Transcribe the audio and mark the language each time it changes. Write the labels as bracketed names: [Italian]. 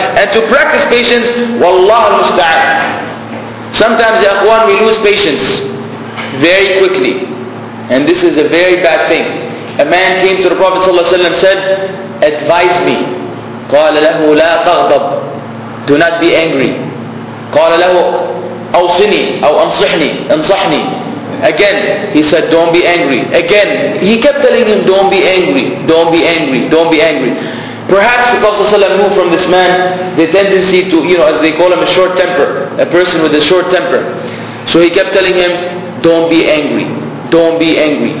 [English] And to practice patience, wallah musta'an. Sometimes, ya akhwan, we lose patience very quickly. And this is a very bad thing. A man came to the Prophet ﷺ and said, advise me. [Arabic] قَالَ لَهُ لَا تَغْضَبْ. [English] Do not be angry. [Arabic] قال له أوصني أو أنصحني أنصحني. [English] Again he said, don't be angry. Again he kept telling him, don't be angry, don't be angry, don't be angry. Perhaps the Prophet ﷺ knew from this man the tendency to, as they call him, a short temper, a person with a short temper. So he kept telling him, don't be angry, don't be angry.